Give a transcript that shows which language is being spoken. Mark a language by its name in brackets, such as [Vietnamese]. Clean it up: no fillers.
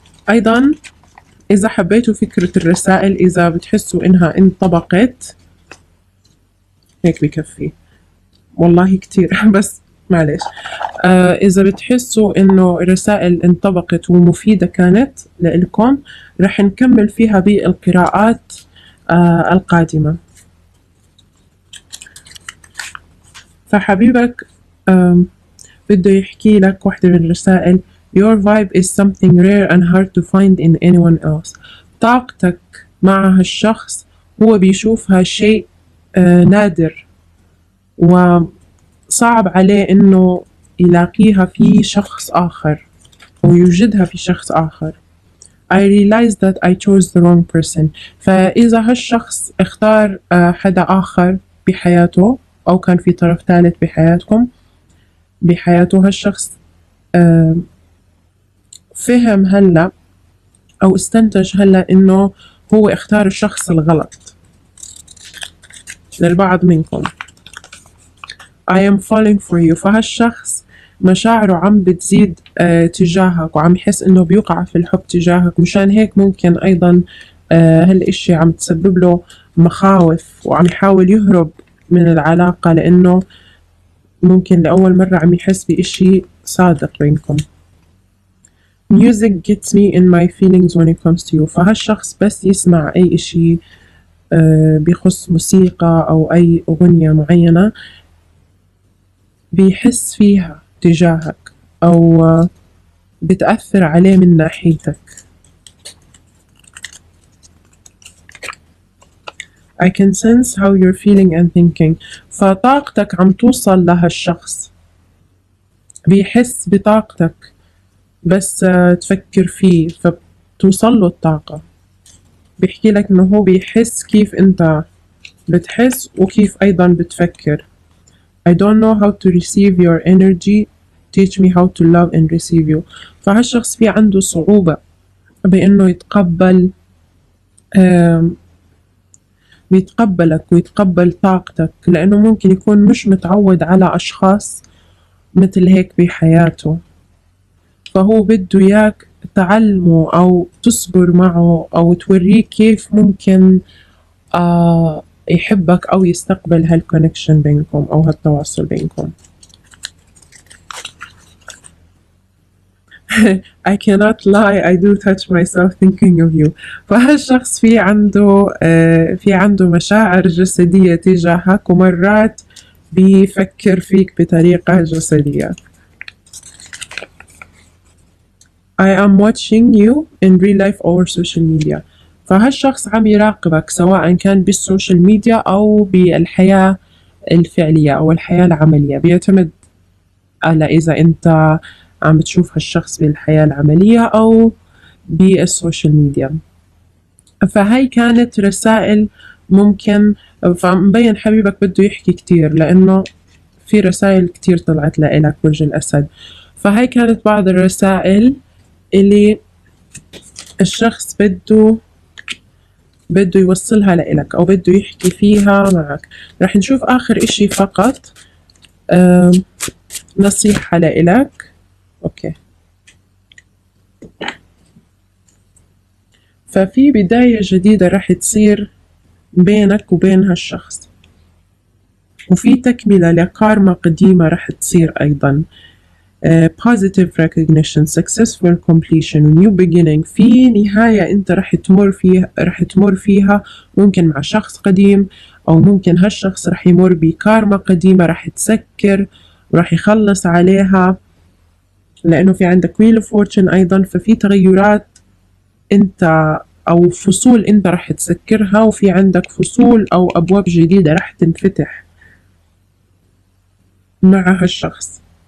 [Arabic] أيضا إذا حبيتوا فكرة الرسائل، إذا بتحسوا إنها انطبقت هيك بكفي، والله كتير بس معلش. إذا بتحسوا إنه الرسائل انطبقت ومفيدة كانت لإلكم، رح نكمل فيها بالقراءات القادمة. فحبيبك بده يحكي لك واحدة من الرسائل: [English] Your vibe is something rare and hard to find in anyone else. [Arabic] طاقتك مع هالشخص هو بيشوفها شيء نادر وصعب عليه انه يلاقيها في شخص آخر ويوجدها في شخص آخر. [English] I realized that I chose the wrong person. [Arabic] فإذا هالشخص اختار حدا آخر بحياته، أو كان في طرف ثالث بحياتكم، بحياته هالشخص، فهم هلأ أو استنتج هلأ إنه هو اختار الشخص الغلط للبعض منكم. [English] I am falling for you. [Arabic] فهالشخص مشاعره عم بتزيد تجاهك، وعم يحس إنه بيقع في الحب تجاهك، مشان هيك ممكن أيضا هالإشي عم تسبب له مخاوف وعم يحاول يهرب من العلاقة، لأنه ممكن لأول مرة عم يحس بإشي صادق بينكم. [English] Music gets me in my feelings when it comes to you. [Arabic] فهالشخص بس يسمع أي إشي بيخص موسيقى أو أي أغنية معينة بيحس فيها تجاهك، أو بتأثر عليه من ناحيتك. [English] I can sense how you're feeling and thinking. [Arabic] فطاقتك عم توصل لهالشخص، بيحس بطاقتك بس تفكر فيه فبتوصل له الطاقة. بيحكي لك انه هو بيحس كيف انت بتحس وكيف ايضا بتفكر. [English] I don't know how to receive your energy. Teach me how to love and receive you. [Arabic] فهالشخص في عنده صعوبة بانه يتقبل بيتقبلك ويتقبل طاقتك، لانه ممكن يكون مش متعود على اشخاص مثل هيك بحياته، فهو بده اياك تعلمه او تصبر معه او توريه كيف ممكن يحبك او يستقبل هالكونكشن بينكم او هالتواصل بينكم. [English] I cannot lie, I do touch myself thinking of you. [Arabic] فهالشخص في عنده مشاعر جسدية تجاهك، ومرات بيفكر فيك بطريقة جسدية. [English] I am watching you in real life over social media. [Arabic] فهالشخص عم يراقبك سواء كان بالسوشيال ميديا أو بالحياة الفعلية أو الحياة العملية، بيعتمد على إذا أنت عم تشوف هالشخص بالحياة العملية أو بالسوشيال ميديا. فهاي كانت رسائل ممكن، فمبين حبيبك بده يحكي كتير لأنه في رسائل كتير طلعت لإلك برج الأسد. فهاي كانت بعض الرسائل اللي الشخص بده يوصلها لإلك أو بده يحكي فيها معك. رح نشوف آخر إشي فقط، نصيحة لإلك. أوكي، ففي بداية جديدة رح تصير بينك وبين هالشخص، وفي تكملة لكارما قديمة رح تصير أيضا. [English] positive recognition, successful completion, new beginning. [Arabic] في نهاية أنت رح تمر فيها، ممكن مع شخص قديم أو ممكن هالشخص رح يمر بكارما قديمة رح تسكر ورح يخلص عليها، لأنه في عندك wheel of fortune أيضا. ففي تغيرات أنت أو فصول أنت رح تسكرها، وفي عندك فصول أو أبواب جديدة رح تنفتح مع هالشخص.